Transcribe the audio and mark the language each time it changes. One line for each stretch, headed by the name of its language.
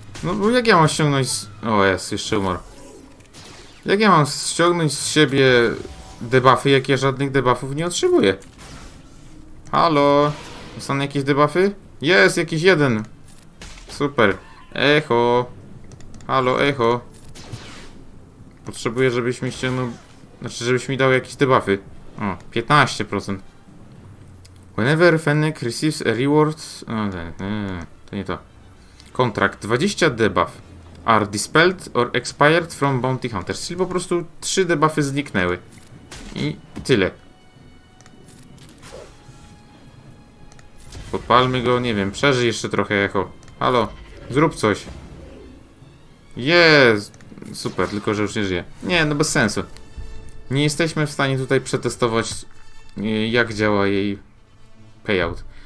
Polish: No bo jak ja mam ściągnąć z... O jest, jeszcze umarł. Jak ja mam ściągnąć z siebie debuffy, jak ja żadnych debuffów nie otrzymuję? Halo? Dostanę jakieś debuffy? Jest! Jakiś jeden! Super! Echo! Halo, echo! Potrzebuję, żebyś mi ściągnął... Znaczy, żebyś mi dał jakieś debuffy. O, 15%.
English: Whenever Fennec receives a reward...
Polish: O, to nie to. Kontrakt.
English: 20 debuff are dispelled or expired from Bounty Hunters.
Polish: Czyli po prostu 3 debuffy zniknęły. I tyle. Podpalmy go, nie wiem, przeżyj jeszcze trochę, echo. Halo, zrób coś. Jest! Super, tylko że już nie żyje. Nie, no bez sensu. Nie jesteśmy w stanie tutaj przetestować, jak działa jej payout.